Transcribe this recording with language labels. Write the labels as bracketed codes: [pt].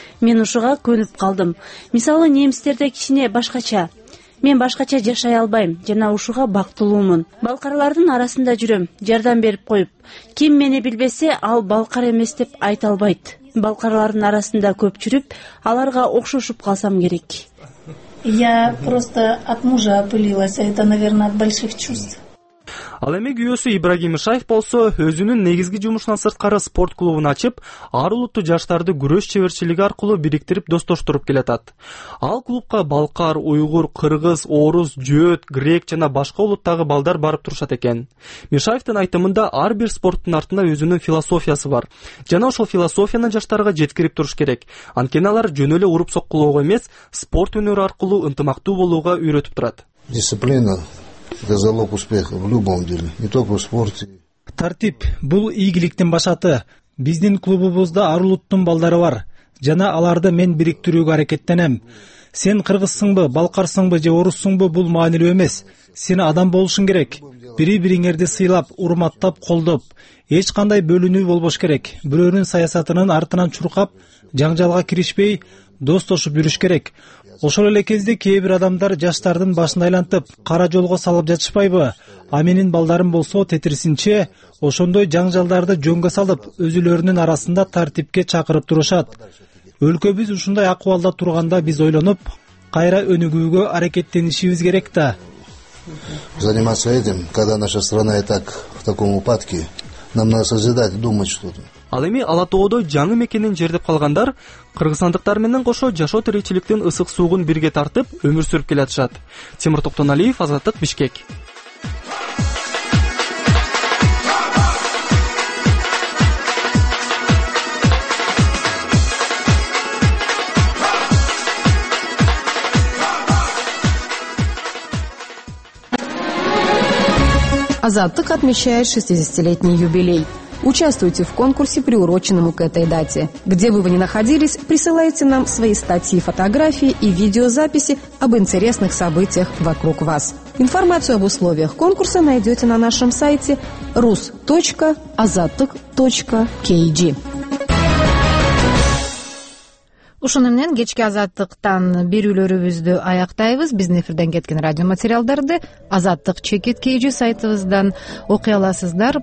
[ky] Мен ушуга көнүп калдым. Мисалы, немистерде кичине башкача. Мен башкача жашай албайм жана ушуга бактылуумун. Балкарлардын арасында жүрөм, жардам берип коюп. Ким мени билбесе, ал балкар эмес деп айта албайт. Балкарлардын арасында көп жүрүп, аларга окшошуп калсам керек. [ru] Я просто от мужа опылилась, это, наверное, от больших чувств. [ky] Ал эми күйөөсү Ибрагим Шаев болсо, өзүнүн негизги жумушунан сырткары спорт клубун ачып, ар улуттуу жаштарды күрөш чеберчилиги аркылуу бириктирип достоштуруп келатат. Ал клубка балкар, уйгур, кыргыз, орус, жөөт, грек жана башка улуттагы балдар барып турушат экен. Мишаевтин айтымында ар бир спорттун артында өзүнүн философиясы бар. Жана ошол философияны жаштарга жеткирип туруш керек. Анткени алар жөн эле уруп соккулоого эмес, спорт өнөрү аркылуу ынтымактуу болууга үйрөтүп турат. [ru] Дисциплина — это залог успеха в любом деле, не только в спорте. [ky] Тартип бул ийгиликтин башаты. Биздин клубубузда ар улуттун балдары бар жана аларды мен бириктирүүгө аракеттенем. Сен кыргызсыңбы, балкарсыңбы же орусуңбу, бул маанилүү эмес. Сен адам болушуң керек. Бири бириңерди сыйлап, урматтап, колдоп, эч кандай бөлүнүү болбош керек. Бирөөнүн саясатынын артынан чуркап, жаңжалга киришпей, достошуп жүрүш керек. Ошол эле кезде кээ бир адамдар жаштардын башын айлантып, кара жолго салып жатышпайбы? А менин балдарым болсо тетирисинче ошондой жаңжалдарды жөнгө салып, өзүлөрүнүн арасында тартипке чакырып турушат. Өлкөбүз ушундай акыбалда турганда биз ойлонуп, кайра өнүгүүгө аракеттенишибиз керек да. [ru] Заниматься этим, когда наша страна и так в таком упадке, нам надо созидать, думать что-то. [ky] Ал эми Ала Тоодо жаңы мекенин жердеп калгандар кыргызстандыктар менен кошо жашоо тиричиликтин ысык суугун бирге тартып өмүр сүрүп келатышат. Темир Токтоналиев, Азаттык, Бишкек. [ru] Азаттык отмечает 60-летний юбилей. Участвуйте в конкурсе, приуроченном к этой дате. Где бы вы ни находились, присылайте нам свои статьи, фотографии и видеозаписи об интересных событиях вокруг вас. Информацию об условиях конкурса найдете на нашем сайте rus.azatyk.kg. [ky] Ушуну менен кечки азаттыктан берүүлөрүбүздү аяктайбыз. Биздин эфирден кеткен радиоматериалдарды Азаттык чекит кейжи сайтыбыздан окуя аласыздар.